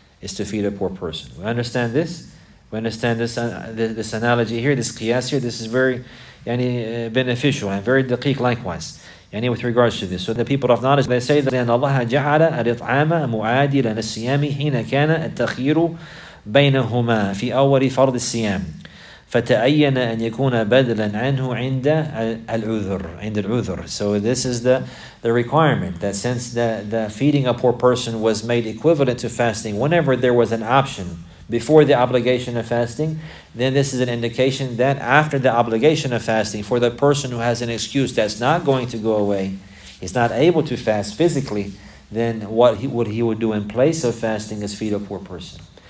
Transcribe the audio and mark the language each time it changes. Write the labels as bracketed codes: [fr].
[en] We understand this. This analogy here, this qiyas here, this is very beneficial and very daqiq likewise. With regards to this. So the people of knowledge, they say that Allah [ar] جعل الإطعام معادلا للصيام حين كان التخير بينهما في أول فرض الصيام. فتأين أن يكون بدلا عنه عند العذر. [en] So this is the requirement, that since the feeding a poor person was made equivalent to fasting, whenever there was an option before the obligation of fasting, then this is an indication that after the obligation of fasting, for the person who has an excuse that's not going to go away, he's not able to fast physically, then what he would do in place of fasting is feed a poor person.